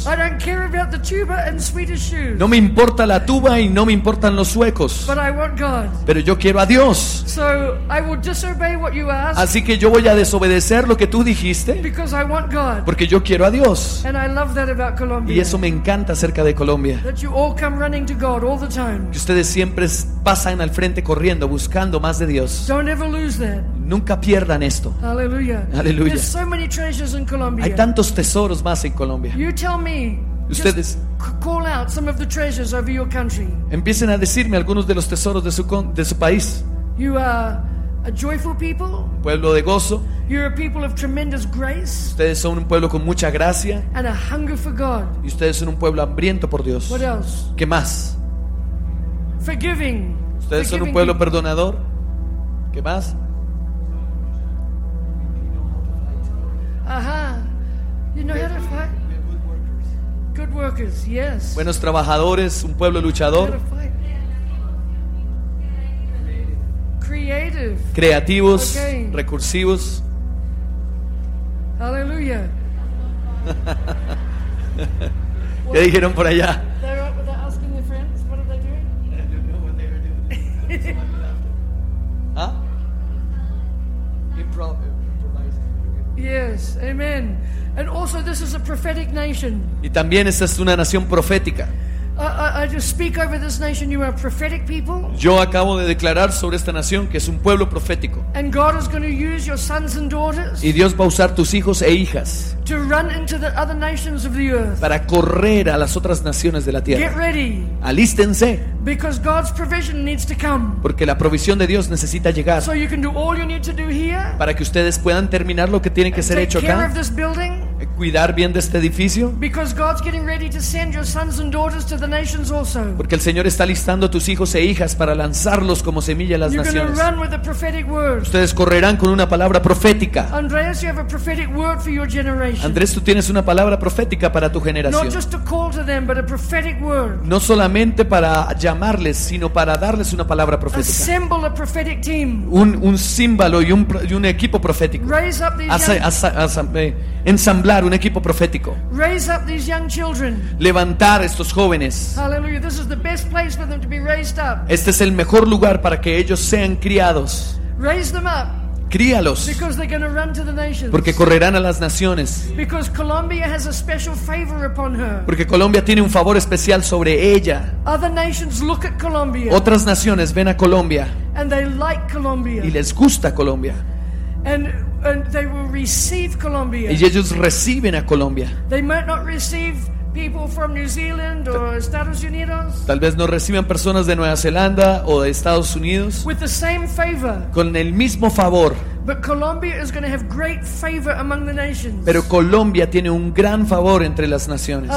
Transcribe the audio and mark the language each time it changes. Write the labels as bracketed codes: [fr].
[en] I don't care about the tuba and Swedish shoes. [es] No me importa la tuba y no me importan los suecos. [en] But I want God. [es] Pero yo quiero a Dios. [en] So I will disobey what you ask. [es] Así que yo voy a desobedecer lo que tú dijiste. [en] Because I want God. [es] Porque yo quiero a Dios. [en] And I love that about Colombia. [es] Y eso me encanta acerca de Colombia. [en] That you all come running to God all the time. [es] Que ustedes siempre pasan al frente corriendo buscando más de Dios. [en] Don't ever lose that. [es] Nunca pierdan esto. Aleluya. [en] There's so many treasures in Colombia. [es] Hay tantos tesoros más en Colombia. [en] You tell me. [es] Ustedes. [en] Call out some of the treasures over your country. [es] Empiecen a decirme algunos de los tesoros de su país. [en] You are a joyful people. [es] Un pueblo de gozo. [en] You're a people of tremendous grace. [es] Ustedes son un pueblo con mucha gracia. [en] And a hunger for God. [es] Y ustedes son un pueblo hambriento por Dios. [en] What else? [es] ¿Qué más? [en] Forgiving. [es] Ustedes son un pueblo perdonador. ¿Qué más? [en] Uh-huh. You know how to fight? Good workers, yes. [es] Buenos trabajadores, un pueblo luchador. [en] Creative. [es] Creativos, recursivos. [en] Hallelujah. [es] ¿Qué dijeron por allá? [en] They're up without asking their friends. What are they doing? I don't know what they are doing. Huh? Improv. Yes, amen. And also, this is a prophetic nation. [es] Y también esta es una nación profética. [en] I just speak over this nation. You are prophetic people. [es] Yo acabo de declarar sobre esta nación que es un pueblo profético. [en] And God is going to use your sons and daughters. [es] Y Dios va a usar tus hijos e hijas. [en] To run into the other nations of the earth. [es] Para correr a las otras naciones de la tierra. [en] Get ready. [es] Alístense. [en] Because God's provision needs to come. [es] Porque la provisión de Dios necesita llegar. [en] So you can do all you need to do here. [es] Para que ustedes puedan terminar lo que tiene que ser hecho acá. [en] Take care of this building. [es] Cuidar bien de este edificio. [en] Because God's getting ready to send your sons and daughters to the nations also. [es] Porque el Señor está listando a tus hijos e hijas para lanzarlos como semilla a las naciones. [en] You're going to run with a prophetic word. [es] Ustedes correrán con una palabra profética. [en] Andreas, you have a prophetic word for your generation. [es] Andrés, tú tienes una palabra profética para tu generación. [en] Not just to call to them, but a prophetic word. [es] No solamente para llamarles, sino para darles una palabra profética. [en] Assemble a prophetic team. [es] Un símbolo y un equipo profético. [en] Raise up these [es] ensamblar un equipo profético. [en] Raise up these young children. [es] Levantar estos jóvenes. [en] Hallelujah. This is the best place for them to be raised up. [es] Este es el mejor lugar para que ellos sean criados. [en] Raise them up. [es] Críalos. [en] Because they're going to run to the nations. [es] Porque correrán a las naciones. [en] Because Colombia has a special favor upon her. [es] Porque Colombia tiene un favor especial sobre ella. [en] Other nations look at Colombia. [es] Otras naciones ven a Colombia. [en] And they like Colombia. [es] Y les gusta Colombia. [en] And they will receive Colombia. [es] Y ellos reciben a Colombia. [en] They might not receive people from New Zealand or Estados Unidos. [es] Tal vez no reciban personas de Nueva Zelanda o de Estados Unidos. [en] With the same favor. [es] Con el mismo favor. [en] But Colombia is going to have great favor among the nations. [es] Pero Colombia tiene un gran favor entre las naciones.